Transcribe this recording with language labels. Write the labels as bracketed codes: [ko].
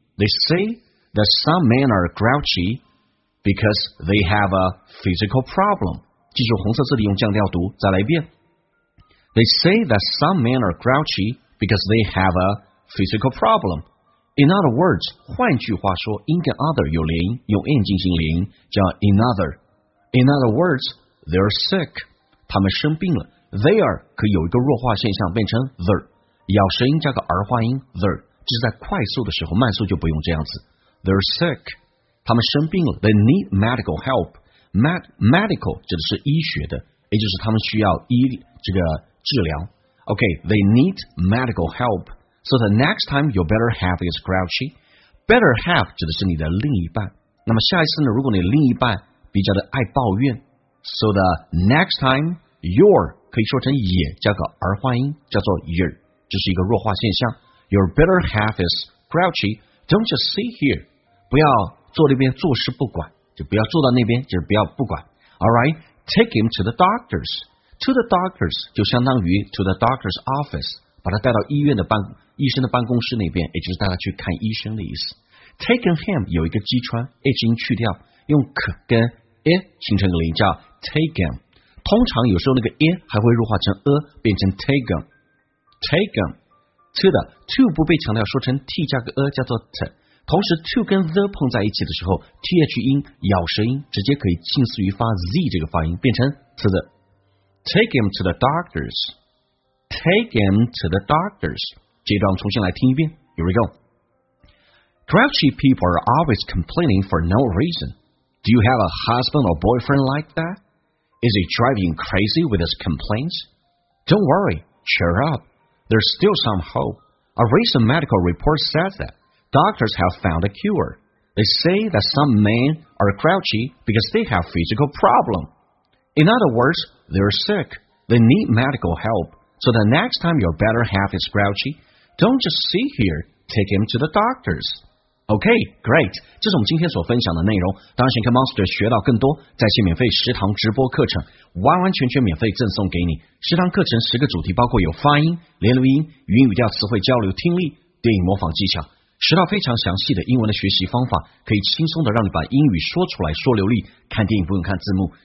[en] They say that some men are grouchy because they have a physical problem， [zh] 记住红色字体用降调读，再来一遍。 [en] They say that some men are grouchy because they have a physical problem. In other words， [zh] 换句话说 in 跟 other 有连音，用 n 进行连音叫 [en] in other words, they're sick. [zh] 他们生病了。 They are 可以有一个弱化现象，变成 they're 咬舌音加个儿化音 they're， 这是在快速的时候，慢速就不用这样子。 [en] They're sick. [zh] 他们生病了。 [en] They need medical help. [zh] Medical 指的是医学的，也就是他们需要医这个治疗。 [en] Okay, they need medical help. So the next time your better half is grouchy, better half [zh] 指的是你的另一半。那么下一次呢？如果你另一半比较的爱抱怨， so the next time your 可以说成也加个儿化音叫做 your， 这是一个弱化现象。 [en] Your better half is grouchy， Don't just stay here. [zh] 不要坐那边坐视不管，就不要坐到那边，就是不要不管。 [en] All right, take him to the doctors. [zh] To the doctors 就相当于 to the doctor's office， 把他带到医院的办医生的办公室那边，也就是带他去看医生的意思。 Taken him 有一个击穿 ，h 音去掉，用 k 跟 e 形成个连叫 taken。通常有时候那个 e 还会弱化成 a， 变成 taken。 Taken to 的 to 不被强调，说成 t 加个 a 叫做 t。同时 to 跟 the 碰在一起的时候 ，th 音咬舌音直接可以近似于发 z 这个发音，变成 to the。 [en] Take him to the doctors. Take him to the doctors. [zh] 这段重新来听一遍。 [en] Here we go. Grouchy people are always complaining for no reason. Do you have a husband or boyfriend like that? Is he driving you crazy with his complaints? Don't worry, cheer up. There's still some hope. A recent medical report says that doctors have found a cure. They say that some men are grouchy because they have physical problems. In other words, they're sick. They need medical help. So the next time your better half is grouchy, don't just sit here. Take him to the doctors. OK, great, [zh] 这是我们今天所分享的内容。当然 Shankar Monster 学到更多，在线免费十堂直播课程完完全全免费赠送给你。十堂课程十个主题，包括有发音、连读音、语音语调、词汇交流、听力、电影模仿技巧，十套非常详细的英文的学习方法，可以轻松的让你把英语说出来说流利，看电影不用看字幕。